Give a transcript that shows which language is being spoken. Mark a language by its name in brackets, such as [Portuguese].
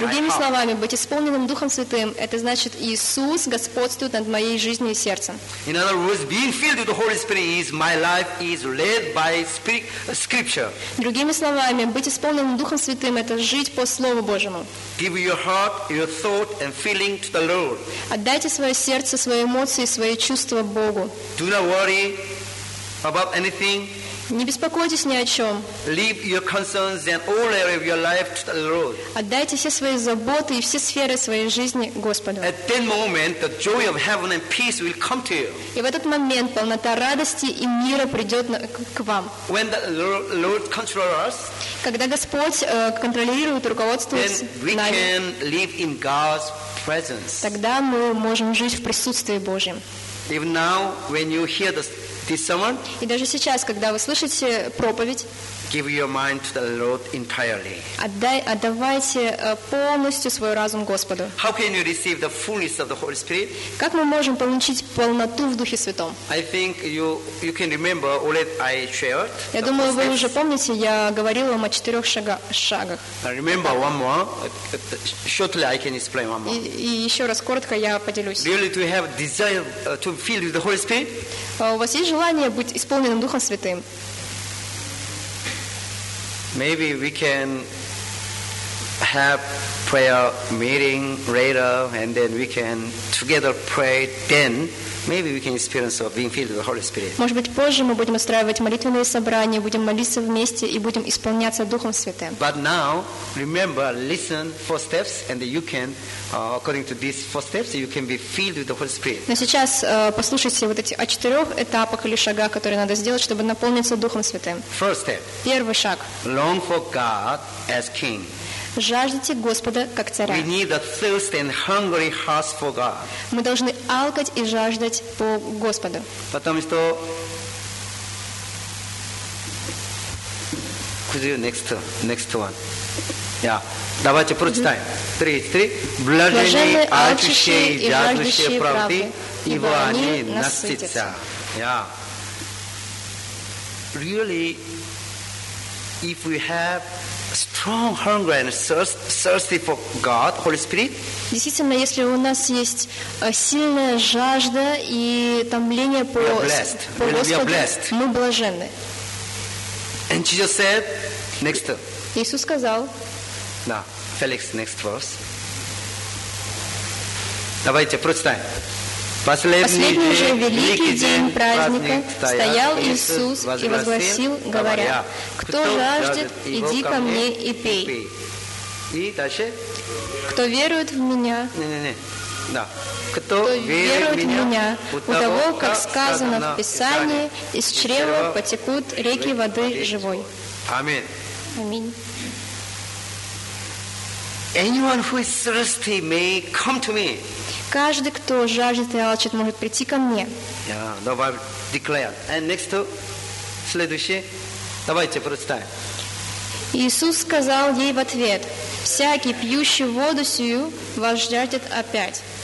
[Russian] Другими словами, быть исполненным Духом Святым — это значит Иисус господствует над моей жизнью и сердцем. [English] In other words, being filled with the Holy Spirit is my life is led by Spirit, Scripture. [Russian] Другими словами, быть исполненным Духом Святым — это жить по Слову Божьему. [English] Give your heart, your thought, and feeling to the Lord. [Russian] Отдайте свое сердце, свои эмоции, свои чувства Богу. [English] Do not worry about anything. [Russian] Не беспокойтесь ни о чем. [English] Leave your concerns and all areas of your life to the Lord. [Russian] Отдайте все свои заботы и все сферы своей жизни Господу. [English] At that moment, the joy of heaven and peace will come to you. [Russian] И в этот момент полнота радости и мира придет к вам. [English] When the Lord controls us, [Russian] когда Господь контролирует, руководствует нами, [English] then we can live in God's presence. [Russian] Тогда мы можем жить в присутствии Божьем. [English] Even now, when you hear the this sermon, [Russian] и даже сейчас, когда вы слышите проповедь, [English] give your mind to the Lord entirely. [Russian] Отдавайте полностью свой разум Господу. [English] How can you receive the fullness of the Holy Spirit? [Russian] Как мы можем получить полноту в Духе Святом? [English] I think you can remember all that I shared. [Russian] Я думаю, вы уже помните, я говорила вам о четырех шагах. [English] Remember one more. Shortly, I can explain one more. [Russian] И еще раз коротко я поделюсь. [English] Really, to have desire to be filled with the Holy Spirit? [Russian] У вас есть желание быть исполненным Духом Святым? [English] Maybe we can have prayer meeting later, and then we can together pray. Then maybe we can experience of being filled with the Holy Spirit. [Russian] Может быть, позже мы будем устраивать молитвенные собрания, будем молиться вместе и будем исполняться Духом Святым. [English] But now, remember, listen four steps, and you can, according to these four steps, you can be filled with the Holy Spirit. [Russian] Но сейчас послушайте вот эти о четырех этапах или шагах, которые надо сделать, чтобы наполниться Духом Святым. [English] First step. [Russian] Первый шаг. [English] Long for God as King. [Russian] Жаждите Господа как Царя. [English] We need a thirsty and hungry heart for God. [Russian] Мы должны алкать и жаждать по Господу. Потому что... [English] Could you next one? Yeah. [Russian] Давайте прочитаем. Три. Блаженные алчущие и жаждущие правды, ибо они насытятся. Yeah. [English] Really, if we have strong hunger and thirsty for God, Holy Spirit. [Russian] Действительно, если у нас есть сильная жажда и томление по Господу, мы блаженны. [English] And Jesus said, next. [Russian] Иисус сказал. [English] Да, Феликс, next verse. [Russian] Давайте представим. Последний же великий день праздника стоял Иисус и возгласил, говоря: «Кто жаждет, иди ко мне и пей». И дальше. Кто верует в меня? Не-не-не. Да. Кто верует в меня? У того, как сказано в Писании, из чрева потекут реки воды живой. Аминь. Аминь. [English] Anyone who is thirsty may come to me. [Russian] Каждый, кто жаждет и алчит, может прийти ко мне. [English] And next, [Russian] следующий. Давайте представим. Иисус сказал ей в ответ: «Всякий, пьющий воду сию, вас жаждет опять.